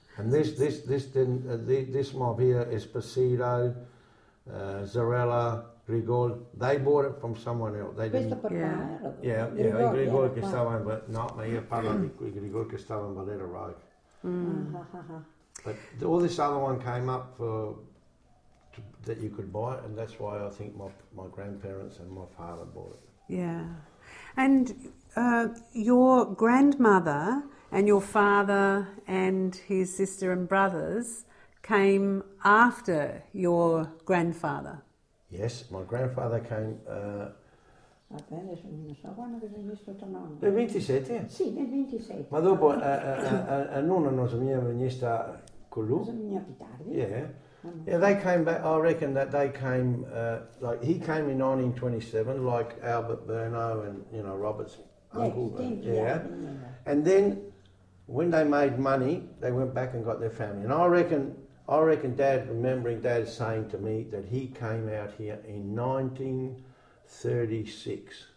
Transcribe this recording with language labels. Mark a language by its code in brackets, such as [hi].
[en] And this mob here, Esposito, Zarella, Grigol, they bought it from someone else. They didn't. [it] Grigol che stavano, [en] but not me. [it] Io parlo di Grigol che stavano in Valletta Road. [en] But all this other one came up that you could buy it, and that's why I think my grandparents and my father bought it. Yeah, and your grandmother and your father and his sister and brothers came after your grandfather. Yes, my grandfather came. [it] Nel 27. Sì, nel 27. Ma dopo a nonno non si è venuto con lui. Non si è venuto più tardi. [en] Yeah. Yeah, they came back. I reckon that they came he came in 1927, like Albert Berno and Robert's uncle. Yeah. And then when they made money, they went back and got their family. And I reckon Dad, remembering Dad saying to me that he came out here in 1936.